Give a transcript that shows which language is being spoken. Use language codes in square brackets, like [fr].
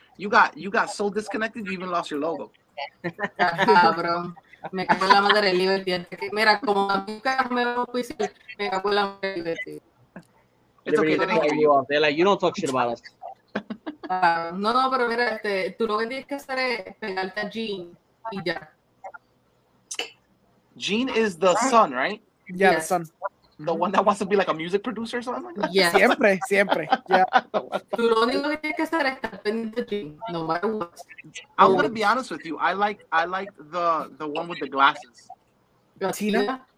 [en] You got so disconnected, you even lost your logo. [es] Cabrón, me cago en la madre de Liberty. Mira, como a mi carro me lo puse, me cago en la madre de Liberty. [en] It's okay, they didn't hear you off. They're like, you don't talk shit about us. [es] No, no, pero mira, tú lo que tienes que hacer es pegarte a Jean y ya. [en] Jean is the son, right? Yeah, yes. The son. The one that wants to be like a music producer or something? Like yeah. [es] Siempre, siempre. Yeah. Tú lo único que tienes que hacer es estar pendiente de Jean, [en] no matter what. I'm going to be honest with you. I like the one with the glasses. Tina?